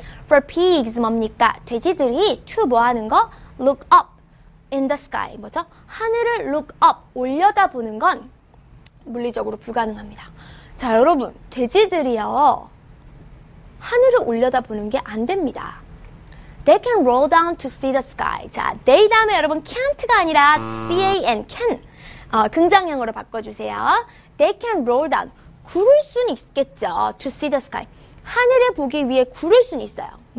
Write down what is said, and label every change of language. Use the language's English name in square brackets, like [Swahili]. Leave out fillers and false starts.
[English] For pigs 뭡니까? [Korean] 돼지들이 to 뭐 하는 거? [English] Look up in the sky. [Korean] 뭐죠? 하늘을 look up, 올려다보는 건 물리적으로 불가능합니다. 자, 여러분, 돼지들이요. 하늘을 올려다보는 게 안 됩니다. [English] They can roll down to see the sky. [Korean] 자, they 다음에 여러분 can't가 아니라 can, can. 긍정형으로 바꿔주세요. [English] They can roll down. [Korean] 구를 순 있겠죠. [English] To see the sky. [Korean] 하늘을 보기 위해 구를 순 있어요.